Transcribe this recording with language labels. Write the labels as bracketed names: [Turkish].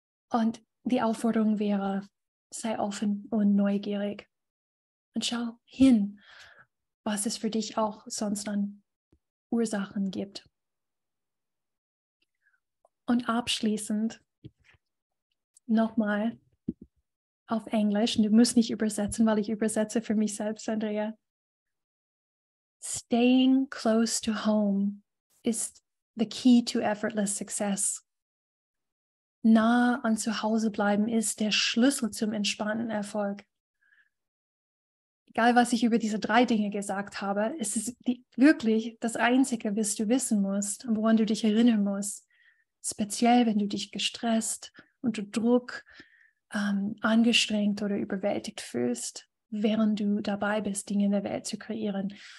[German] Und die Aufforderung wäre, sei offen und neugierig und schau hin, was es für dich auch sonst an Ursachen gibt. Und abschließend nochmal auf Englisch, und du musst nicht übersetzen, weil ich übersetze für mich selbst, Andrea. [English] Staying close to home is the key to effortless success. [German] Nah an zu Hause bleiben ist der Schlüssel zum entspannten Erfolg. Egal, was ich über diese drei Dinge gesagt habe, es ist wirklich das Einzige, was du wissen musst und woran du dich erinnern musst. Speziell, wenn du dich gestresst, unter Druck, angestrengt oder überwältigt fühlst, während du dabei bist, Dinge in der Welt zu kreieren.